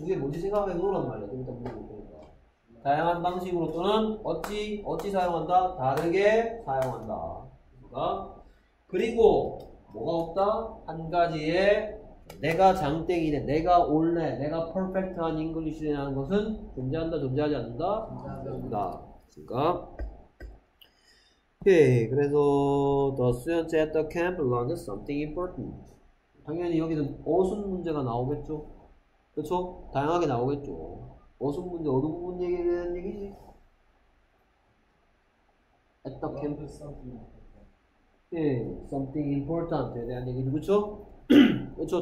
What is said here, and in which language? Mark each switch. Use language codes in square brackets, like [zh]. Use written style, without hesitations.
[ko] 그게 뭔지 생각해 놓으란 말이야. 일단 물어볼 거니까. 다양한 방식으로 또는 어찌 사용한다? 다르게 사용한다. 그러니까 그리고 뭐가 없다? 한 가지에 내가 장땡이네. 내가 올래. 내가 퍼펙트한 잉글리시라는 것은 존재한다? 존재하지 않는다? 존재한다. 그러니까 오케이. 그래서 [en] the students at the camp learned something important. [ko] 당연히 여기는 어순 문제가 나오겠죠. 그렇죠? 다양하게 나오겠죠. 어순 문제 어느 부분 얘기를 하는 얘기지? [en] At the camp something important [ko] 에 대한 얘기죠. 그렇죠? 그렇죠.